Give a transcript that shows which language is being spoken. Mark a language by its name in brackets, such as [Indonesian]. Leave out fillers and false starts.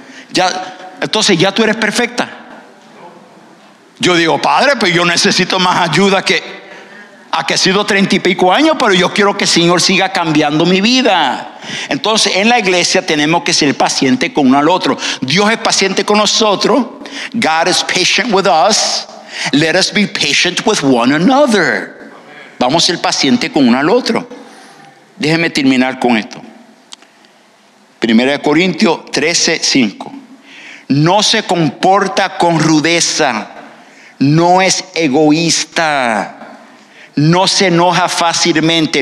[Spanish] Ya, entonces, ¿ya tú eres perfecta? Yo digo, padre, pues yo necesito más ayuda que ha sido 30 y pico años, pero yo quiero que el Señor siga cambiando mi vida. Entonces, en la iglesia tenemos que ser pacientes con uno al otro. Dios es paciente con nosotros. [English] God is patient with us. Let us be patient with one another. [Spanish] Vamos a ser pacientes con uno al otro. Déjeme terminar con esto. 1 Corintios 13:5. No se comporta con rudeza. No es egoísta. No se enoja fácilmente.